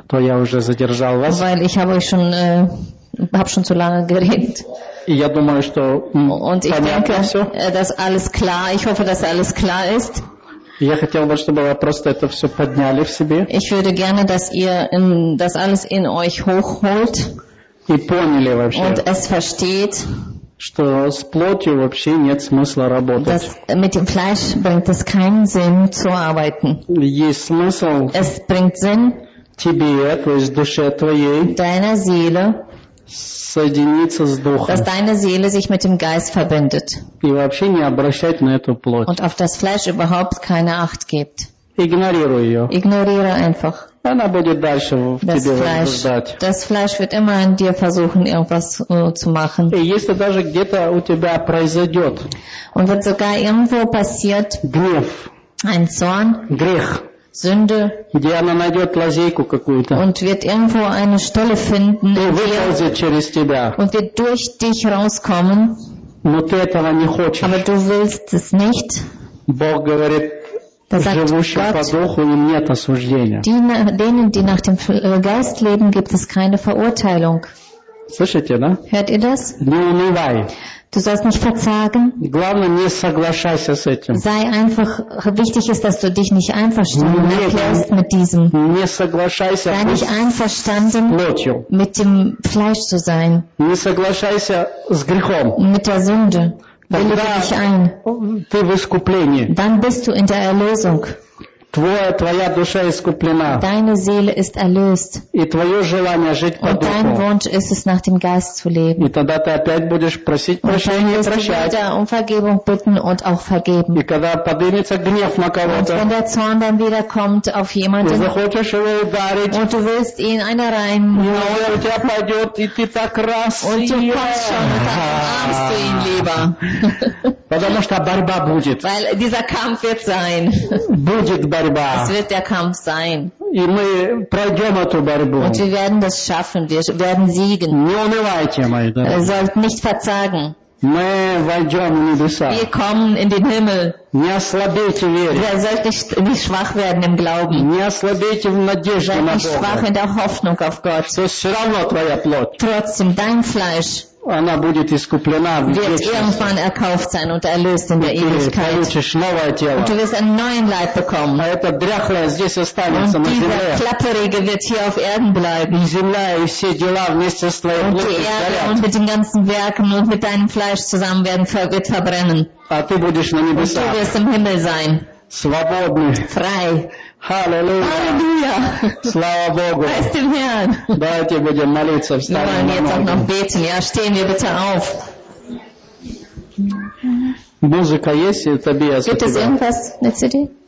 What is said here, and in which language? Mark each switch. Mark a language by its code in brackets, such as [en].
[ru] То я уже задержал вас. [de] Weil ich habe euch schon hab schon zu lange geredet. [ru] Я думаю, что [de] und ich denke, dass alles klar. Ich hoffe, dass alles klar ist. [ru] Я хотел бы, чтобы вы просто это все подняли в себе. [de] Ich würde gerne, dass ihr das alles in euch hochholt. [ru] И поняли вообще. [de] Und es versteht, [ru] что с плотью вообще нет смысла работать. [de] Dass mit dem Fleisch bringt es keinen Sinn zu arbeiten. [ru] Есть смысл. [de] Es bringt Sinn. [ru] Тебе, то есть душе твоей. [de] Deiner Seele. [ru] Соединиться с Духом. [de] Dass deine Seele sich mit dem Geist verbindet. [ru] И вообще не обращать на эту плоть. [de] Und auf das Fleisch überhaupt keine Acht gibt. [ru] Игнорируй ее. [de] Ignoriere einfach. [ru] Она будет дальше в [de] das [ru] тебе [de] Fleisch, [ru] ждать. [de] Das Fleisch wird immer in dir versuchen, irgendwas zu machen. [ru] И если даже где-то у тебя произойдет. [de] Und wenn sogar irgendwo passiert. [ru] Гнев. [de] Ein Zorn. [ru] Грех. [de] Sünde. [ru] Где она найдет лазейку какую-то. [de] Und wird irgendwo eine Stelle finden, und wird durch dich rauskommen. [ru] Но ты этого не хочешь. [de] Aber du willst es nicht. [ru] Бог говорит, живущим по духу им нет осуждения. [de] Denen, die nach dem Geist leben, gibt es keine Verurteilung. [ru] Слышите, да? [de] Hört ihr das? [ru] Не унывай. [de] Du sollst nicht verzagen. [ru] Главное, не соглашайся с этим. [de] Sei einfach, wichtig ist, dass du dich nicht einverstanden erklärst mit diesem. [ru] Не соглашайся. [de] Sei nicht einverstanden mit dem Fleisch zu sein. [ru] Не соглашайся с грехом. [de] Mit der Sünde. Willige dich ein. [ru] Ты в искуплении. [de] Dann bist du in der Erlösung. [ru] Твоя душа искуплена. [de] Deine Seele ist erlöst. [ru] И твое желание жить по [de] Und [ru] духу. [de] Dein Wunsch ist es, nach dem Geist zu leben. [ru] И тогда ты опять будешь просить прощения, прощать. [de] Um Vergebung bitten und auch vergeben. [ru] И когда поднимется гнев на кого-то. [de] Und wenn der Zorn dann wieder kommt auf jemanden. [ru] И захочешь его ударить. [de] Und du willst ihn einer rein. [ru] И он у тебя пойдет, и ты так раз. [de] Und du kommst schon mit deinem Arm zu ihm lieber. [ru] Потому что борьба будет. [de] Weil dieser Kampf wird sein. [ru] Будет борьба. [de] Es wird der Kampf sein. [ru] И мы пройдем эту борьбу. [de] Und wir werden das schaffen. Wir werden siegen. [ru] Не унывайте, мои дорогие. [de] Sollt nicht verzagen. [ru] Мы войдем в небеса. [de] Wir kommen in den Himmel. [ru] Не ослабейте веры. [de] Wir sollt nicht schwach werden im Glauben. [ru] Не ослабейте в надежде на Бога. [de] Sollt nicht schwach in der Hoffnung auf Gott. [ru] Все равно твоя плоть. [de] Trotzdem dein Fleisch. [ru] Она будет искуплена в вечности. [de] Wird irgendwann erkauft sein und erlöst in der Ewigkeit. [ru] Ты получишь новое тело. [de] Und du wirst einen neuen Leib bekommen. [ru] А это дряхлое здесь останется [de] und [ru] на земле. [de] Und dieser klapperige wird hier auf Erden bleiben. [ru] И земля и все дела вместе с твоей плотью сгорят. [de] Und die Erde und mit den ganzen Werken und mit deinem Fleisch zusammen wird verbrennen. [ru] А ты будешь на небесах. [de] Und du wirst im Himmel sein. [ru] Свободный. [de] Frei. Halleluja. Halleluja. [ru] Слава Богу. [de] Preist dem Herrn. [ru] Давайте будем молиться, встанем на ноги. [de] Wir jetzt auch noch beten. Ja, stehen wir bitte auf. [ru] Музыка есть, это Тобиас. [de] Gibt es irgendwas на CD?